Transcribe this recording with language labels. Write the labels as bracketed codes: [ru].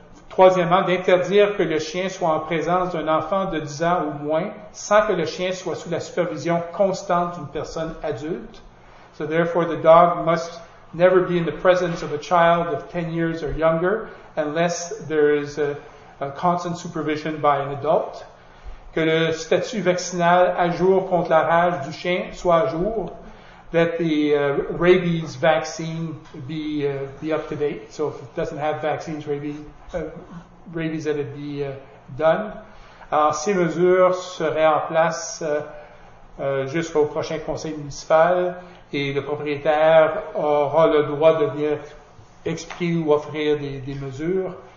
[fr] Troisièmement, d'interdire que le chien soit en présence d'un enfant de 10 ans ou moins sans que le chien soit sous la supervision constante d'une personne adulte. [en] So therefore, the dog must never be in the presence of a child of 10 years or younger unless there is a constant supervision by an adult. [fr] Que le statut vaccinal à jour contre la rage du chien soit à jour. [en] That the rabies vaccine be up to date. So if it doesn't have vaccines, rabies, that it be done. [fr] Alors, ces mesures seraient en place jusqu'au prochain conseil municipal et le propriétaire aura le droit de venir expliquer ou offrir des mesures.